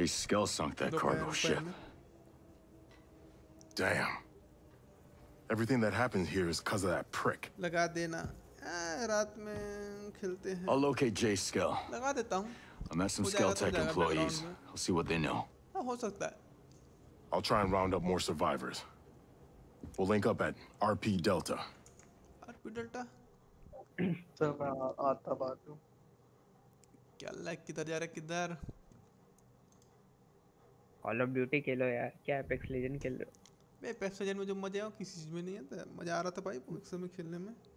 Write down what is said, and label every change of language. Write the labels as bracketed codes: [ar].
[en] Jess skill sank that cargo ship damn everything that happens here is cuz of that prick [hi] लगा देना रात में खेलते हैं। [en] I'll locate Jay Skell. [hi] लगा देता हूँ। [en] I met some Skell Tech employees. I'll see what they know. [hi] हो सकता है। [en] I'll try and round up more survivors. We'll link up at RP Delta. RP Delta? [hi] चल मैं आता बात हूँ। क्या लाइक किधर जा रहा किधर? Call of Duty खेलो यार। क्या Apex Legend खेलो? मैं Apex Legend में जो मजा है किसी चीज़ में नहीं आता। मजा आ रहा था भाई Apex में खेलने में।